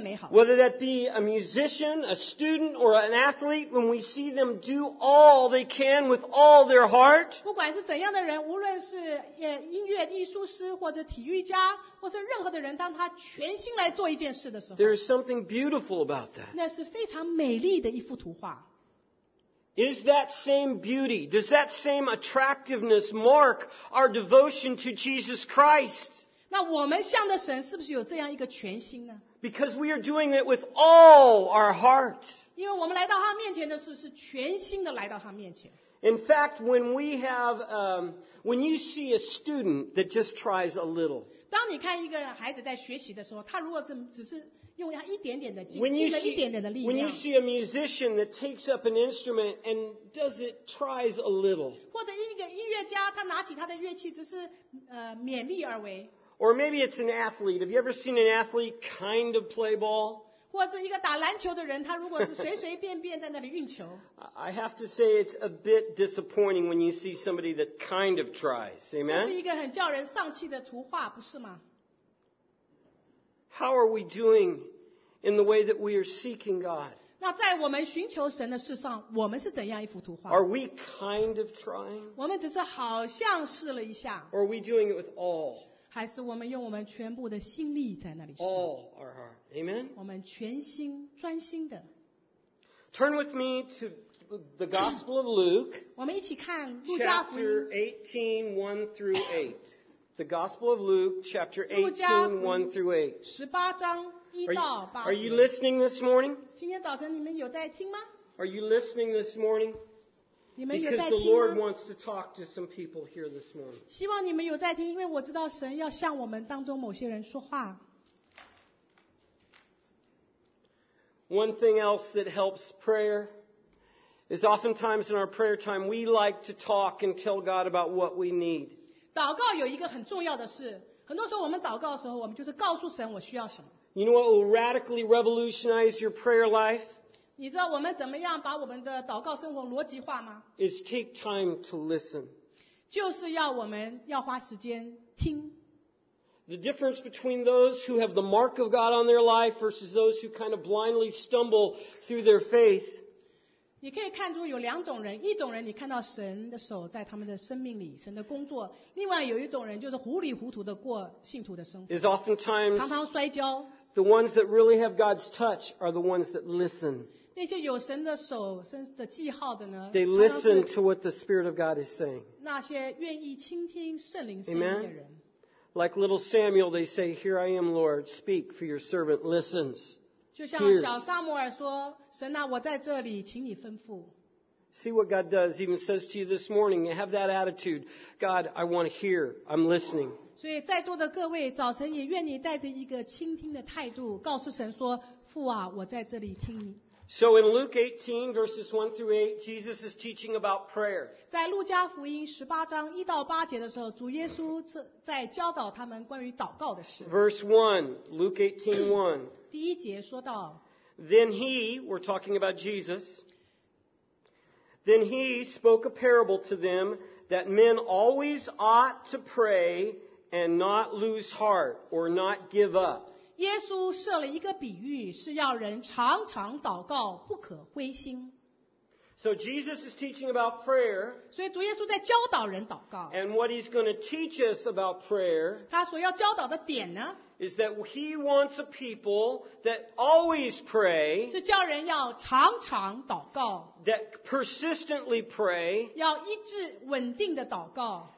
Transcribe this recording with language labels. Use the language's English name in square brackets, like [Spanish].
[English] Whether that be a musician, a student, or an athlete, when we see them do all they can with all their heart, [Chinese] 不管是怎样的人, 无论是音乐艺术师或者体育家或是任何的人, 当他全心来做一件事的时候, [English] there is something beautiful about that. [Chinese] 那是非常美丽的一幅图画。 [English] Is that same beauty, does that same attractiveness mark our devotion to Jesus Christ? [Chinese] 那我们向的神是不是有这样一个全心呢? [English] Because we are doing it with all our heart. [Chinese] 因为我们来到他面前的是全心的来到他面前。 [English] In fact, when we have, when you see a student that just tries a little, [Chinese] 当你看一个孩子在学习的时候, 他如果是只是用一点点的劲, [English] when you see a musician that takes up an instrument and does it, tries a little, [Chinese] 或者一个音乐家他拿起他的乐器只是, 勉力而为, [English] or maybe it's an athlete. Have you ever seen an athlete kind of play ball? [Chinese] 或者一个打篮球的人,他如果是随随便便在那里运球。 [English] I have to say it's a bit disappointing when you see somebody that kind of tries. Amen? [Chinese] 这是一个很叫人丧气的图画,不是吗? [English] How are we doing in the way that we are seeking God? [Chinese] 那在我们寻求神的事上,我们是怎样一幅图画? [English] Are we kind of trying? [Chinese] 我们只是好像试了一下。 [English] Or are we doing it with all? [Chinese] 还是我们用我们全部的心力在那里 [English] All our heart. Amen? [Chinese] 我们全心专心的。 [English] Turn with me to the Gospel of Luke. [Chinese] 我们一起看路加福音。 [English] Chapter 18, 1 through 8. The Gospel of Luke, chapter 18, 1 through 8. [Chinese] 18章1到8节。 [English] Are you listening this morning? [Chinese] 今天早晨你们有在听吗? [English] Are you listening this morning? Because the Lord wants to talk to some people here this morning. [Chinese] 希望你们有在听, 因为我知道神要向我们当中某些人说话。 [English] One thing else that helps prayer is oftentimes in our prayer time, we like to talk and tell God about what we need. [Chinese] 祷告有一个很重要的事, 很多时候我们祷告的时候, 我们就是告诉神我需要什么。 [English] You know what will radically revolutionize your prayer life? [Chinese] 你知道我们怎么样把我们的祷告生活逻辑化吗? [English] Is take time to listen. [Chinese] 就是要我们要花时间听。 [English] The difference between those who have the mark of God on their life versus those who kind of blindly stumble through their faith. [Chinese] 你可以看出有两种人, 一种人你看到神的手在他们的生命里, 神的工作, 另外有一种人就是糊里糊涂地过信徒的生活。 [English] Is oftentimes [Chinese] 常常摔跤, [English] the ones that really have God's touch are the ones that listen. [Chinese] 那些有神的手,神的记号的呢, [English] they listen to what the Spirit of God is saying. [Chinese] 那些愿意倾听圣灵声音的人。 [English] Like little Samuel, they say, here I am, Lord, speak, for your servant listens. [Chinese] 就像小撒母耳说, 神啊, 我在这里, 请你吩咐。 [English] See what God does, even says to you this morning, you have that attitude, God, I want to hear, I'm listening. [Chinese] 所以在座的各位, 早晨也愿你带着一个倾听的态度, 告诉神说, 父啊, 我在这里听你。 [English] So in Luke 18, verses 1 through 8, Jesus is teaching about prayer. [Chinese] 在路加福音18章1到8节的时候，主耶稣在教导他们关于祷告的事。 [English] Verse 1, Luke 18:1. [Chinese] 第一节说到。 [English] Then he, we're talking about Jesus, then he spoke a parable to them that men always ought to pray and not lose heart or not give up. [Chinese] 耶稣设了一个比喻，是要人常常祷告，不可灰心。 [English] So Jesus is teaching about prayer. [Chinese] 所以主耶稣在教导人祷告。 [English] And what he's going to teach us about prayer? [Chinese] 他所要教导的点呢 [English] ？Is that he wants a people that always pray? [Chinese] 是叫人要常常祷告。 [English] That persistently pray. [Chinese] 要一直稳定的祷告。